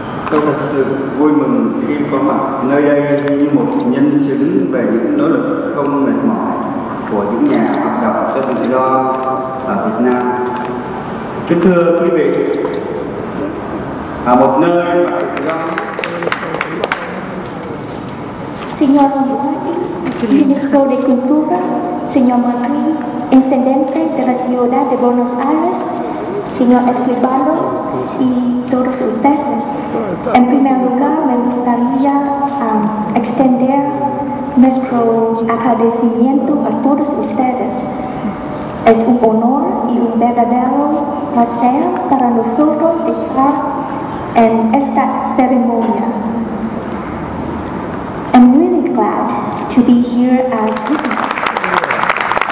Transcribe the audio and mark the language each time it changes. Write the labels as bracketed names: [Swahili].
[Vietnamese] Tôi thật sự vui mừng khi có mặt nơi đây như một nhân chứng về những nỗ lực không mệt mỏi của những nhà hoạt động cho tự do ở Việt Nam. Kính thưa quý vị, ở một nơi mà tự do. Xin ông [Spanish] ministro de Cultura, señor Macri, intendente de la ciudad de Buenos Aires, señor Escribano y todos ustedes. En primer lugar, me gustaría extender nuestro agradecimiento a todos ustedes. Es un honor y un verdadero placer para nosotros estar en esta ceremonia. [English] I'm really glad to be here as witness.